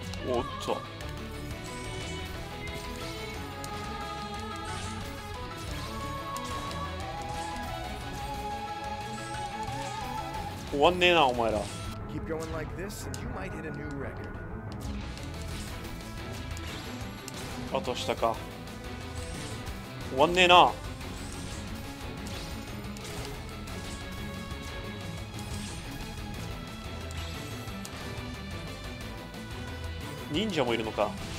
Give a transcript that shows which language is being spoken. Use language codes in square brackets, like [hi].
[ja] おっと、終わんねえなお前ら。 [en] Keep going like this and you might hit a new record. [ja] あと下か、終わんねえな。忍者もいるのか。